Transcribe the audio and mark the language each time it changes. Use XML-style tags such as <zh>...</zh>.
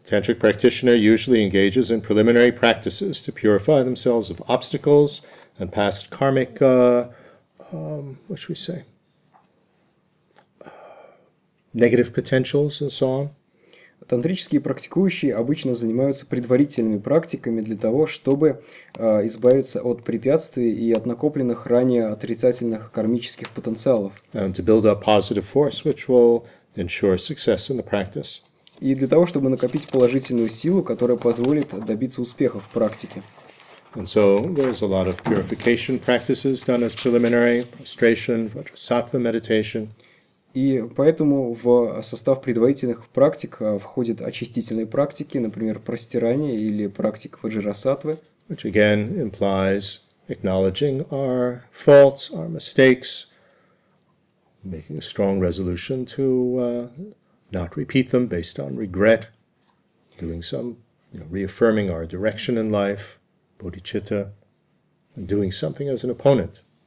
<en>Tantric practitioner usually engages in preliminary practices to purify themselves of obstacles and past karmic, what should we say, negative potentials and so on.</en> <ru>Тантрические практикующие обычно занимаются предварительными практиками для того, чтобы избавиться от препятствий и от накопленных ранее отрицательных кармических потенциалов.</ru> <en>And to build up positive force, which will ensure success in the practice.</en> <ru>И для того, чтобы накопить положительную силу, которая позволит добиться успеха в практике.</ru> <en>And so there's a lot of purification practices done as preliminary, prostration, vajrasattva meditation.</en> <ru>И поэтому в состав предварительных практик входят очистительные практики, например, простирание или практика ваджрасаттвы.</ru> <en>Which again implies acknowledging our faults, our mistakes, making a strong resolution to not repeat them based on regret, doing some, you know, reaffirming our direction in life, bodhicitta, and doing something as an opponent.</en>